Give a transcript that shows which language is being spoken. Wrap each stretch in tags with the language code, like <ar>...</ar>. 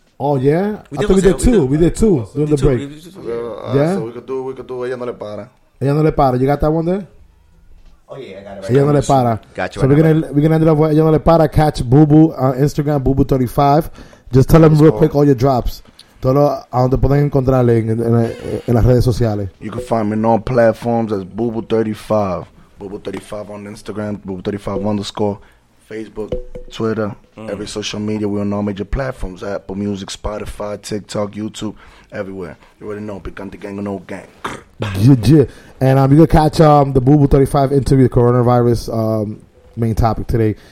<en>Oh, yeah? We did two. During the break. Yeah? So we could do Ella No Le Para. Ella No Le Para. You got that one there? Oh yeah, I got it right. Ella No Le Para. Gotcha. So we're gonna end it up with Ella No Le Para. Catch Boo Boo on Instagram, Boo Boo 35. Just tell them real quick all your drops.</en> <es>Todo a donde pueden encontrarle en las redes sociales.</es> <en>You can find me on all platforms as Boo Boo 35. Boo Boo 35 on Instagram, Boo Boo 35 _ Facebook, Twitter, every social media. We're on all major platforms. Apple Music, Spotify, TikTok, YouTube, everywhere. You already know, Picante Gang or no gang. And you can catch the Boo Boo 35 interview, the coronavirus main topic today.</en>